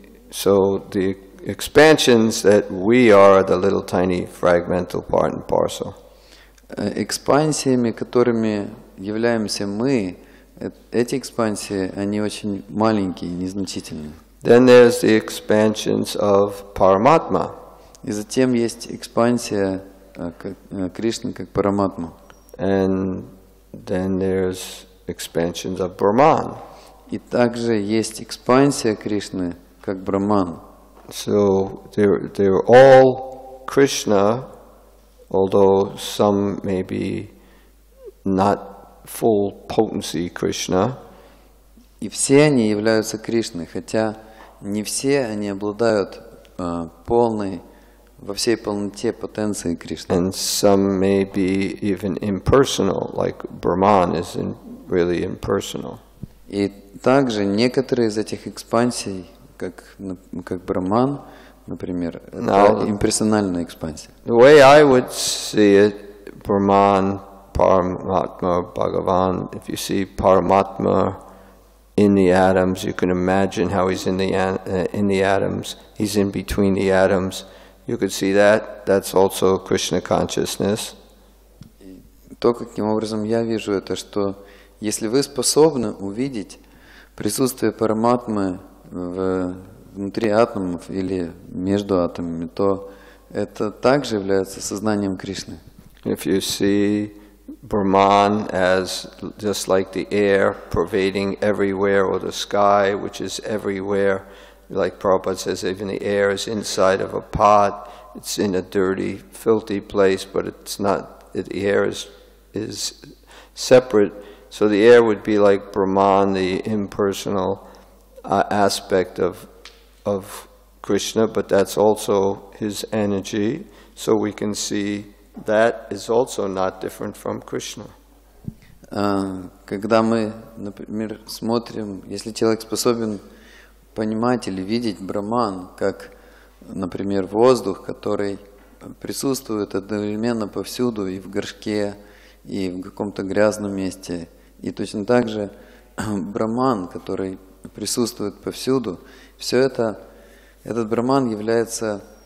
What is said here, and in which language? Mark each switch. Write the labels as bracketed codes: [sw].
[en] So the expansions that we are the little tiny fragmental part and parcel. [ru] Экспансиями, которыми являемся мы, эти экспансии, они очень маленькие, незначительные. [en] Then there's the expansions of Paramatma. [ru] И затем есть экспансия Кришны как Параматма. [en] And then there's expansions of Brahman. [ru] И также есть экспансия Кришны как Брахман. [en] So they're all Krishna, although some may be not full potency Krishna. [ru] И все они являются Кришной, хотя не все они обладают полной во всей полноте потенцией Кришны. [en] And some may be even impersonal, like Brahman is really impersonal. [ru] И также некоторые из этих экспансий, как Брахман, например, now, это имперсональная экспансия. [en] The way I would see it, Brahman, Paramatma, Bhagavan, if you see Paramatma in the atoms, you can imagine how he's in the atoms, he's in between the atoms, you could see that, that's also Krishna consciousness. [ru] И то, каким образом я вижу это, что если вы способны увидеть присутствие Параматмы внутри атомов или между атомами, то это также является сознанием Кришны. [en] If you see Brahman as just like the air pervading everywhere, or the sky, which is everywhere, like Prabhupada says, even the air is inside of a pot, it's in a dirty, filthy place, but it's not, the air is separate. So the air would be like Brahman, the impersonal aspect of Krishna, but that's also his energy. So we can see that is also not different from Krishna. [ru] Когда мы, например, смотрим, если человек способен понимать или видеть Брахман как, например, воздух, который присутствует одновременно повсюду и в горшке, и в каком-то грязном месте, и точно так же Брахман, который присутствует повсюду, все это, этот Брахман является